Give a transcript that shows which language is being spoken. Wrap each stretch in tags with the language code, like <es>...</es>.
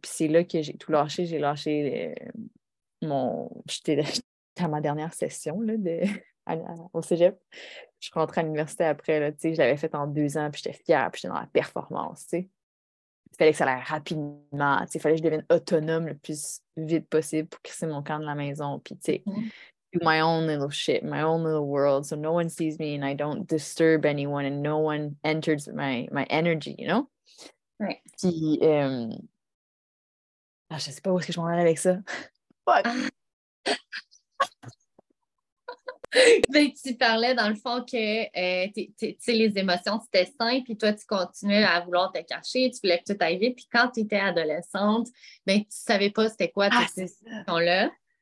<fr>Puis c'est là que j'ai tout lâché. J'ai lâché j'étais à ma dernière session, là, au cégep. Je rentrais à l'université après, là, tu sais. Je l'avais fait en 2 ans, puis j'étais fière, puis j'étais dans la performance, tu sais. Il fallait que ça aille rapidement. Il fallait que je devienne autonome le plus vite possible pour casser mon camp de la maison. Puis, tu sais,</fr> <en>my own little shit, my own little world. So no one sees me and I don't disturb anyone and no one enters my energy, you know? Right.</en> <fr>Puis, je ne sais pas où est-ce que je m'en allais avec ça. Fuck! Ben, tu parlais dans le fond que t'sais, les émotions c'était simple, puis toi tu continuais à vouloir te cacher, tu voulais que tout aille vite, puis quand tu étais adolescente, ben tu savais pas c'était quoi toutes ces émotions-là.</fr>